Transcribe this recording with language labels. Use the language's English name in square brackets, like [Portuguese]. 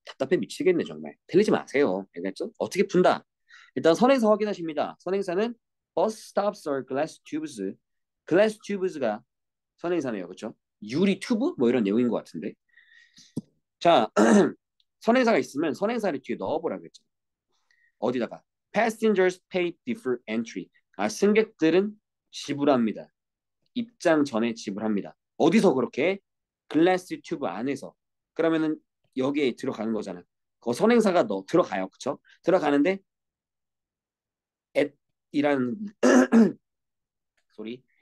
[Korean] 답답해 미치겠네 정말. 틀리지 마세요. 알겠죠? 어떻게 푼다? 일단 선행사 확인하십니다. 선행사는 버스 스탑스 or 글래스 튜브스. 글래스 튜브스가 선행사네요. 그렇죠? 유리 튜브? 뭐 이런 내용인 것 같은데. 자, 선행사가 있으면 선행사를 뒤에 넣어보라고 했죠. 어디다가? [English] Passengers pay before entry. [Korean] 아, 승객들은 지불합니다. 입장 전에 지불합니다. 어디서 그렇게? 글래스 튜브 안에서. 그러면은 여기에 들어가는 거잖아. 그거 선행사가 넣어 들어가요. 그렇죠? 들어가는데 at이라는 소리.